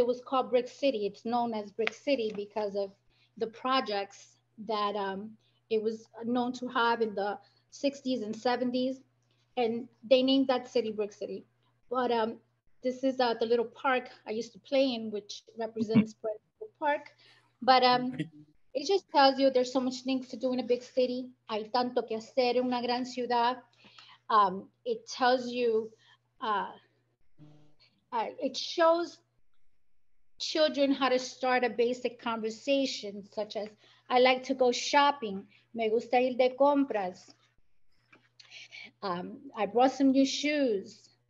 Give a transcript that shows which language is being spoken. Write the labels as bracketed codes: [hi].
[en] It was called Brick City. It's known as Brick City because of the projects that it was known to have in the 60s and 70s. And they named that city Brick City. But this is the little park I used to play in, which represents Brick Park. But it just tells you there's so much things to do in a big city. [es] Hay tanto que hacer en una gran ciudad. [en] It tells you, it shows children how to start a basic conversation, such as, I like to go shopping. [es] Me gusta ir de compras. [en] I brought some new shoes.